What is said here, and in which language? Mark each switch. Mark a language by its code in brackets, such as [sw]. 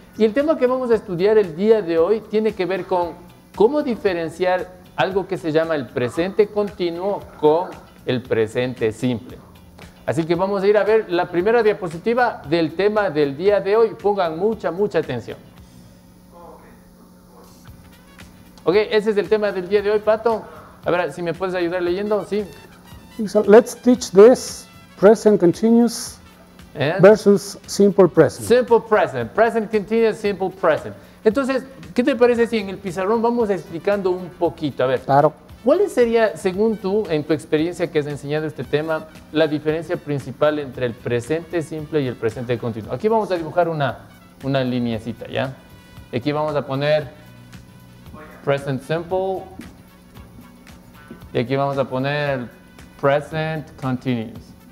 [es] Y el tema que vamos a estudiar el día de hoy tiene que ver con cómo diferenciar algo que se llama el presente continuo con el presente simple. Así que vamos a ir a ver la primera diapositiva del tema del día de hoy. Pongan mucha atención. Ok, ese es el tema del día de hoy, Pato. A ver, si me puedes ayudar leyendo, sí. [en] So let's teach this present continuous versus simple present. Simple present. Present continuous, simple present. [es] Entonces, ¿qué te parece si en el pizarrón vamos explicando un poquito? A ver. Claro. ¿Cuál sería, según tú, en tu experiencia que has enseñado este tema, la diferencia principal entre el presente simple y el presente continuo? Aquí vamos a dibujar una lineecita, ¿ya? Aquí vamos a poner present simple. Y aquí vamos a poner present continuous.